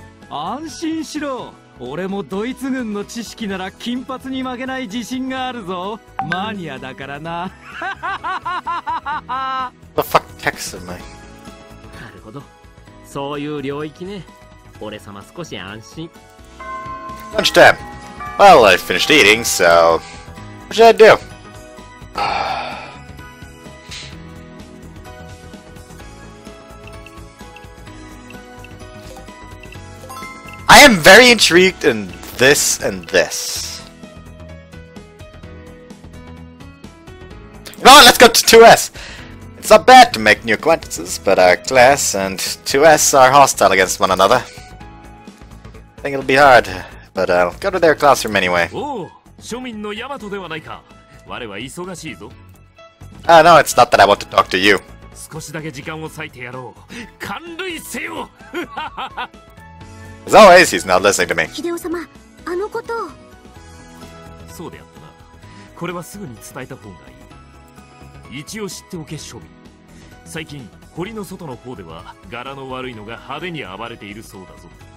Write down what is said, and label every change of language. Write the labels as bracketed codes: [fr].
[ja] 安心しろ、俺もドイツ軍の知識なら金髪に負けない自信があるぞ。マニアだからな。 [en] The fuck text am I? [ja] なるほど、そういう領域ね。俺様少し安心。 [en] Lunch time. Well, I finished eating, so what should I do? I am very intrigued in this and this. You know what? Let's go to 2S. It's not bad to make new acquaintances, but our class and 2S are hostile against one another. I think it'll be hard, but I'll go to their classroom anyway. [ja] Oh, 庶民のヤマトではないか。我は忙しいぞ。 [en] Ah, no, it's not that I want to talk to you. [ja] 少しだけ時間を割いてやろう。感涙せよ。 [en] As always, he's not listening to me. [ja] ヒデオ様、あのこと。そうであったな。これはすぐに伝えた方がいい。一応知っておけ、庶民。最近、堀の外の方では柄の悪いのが派手に暴れているそうだぞ。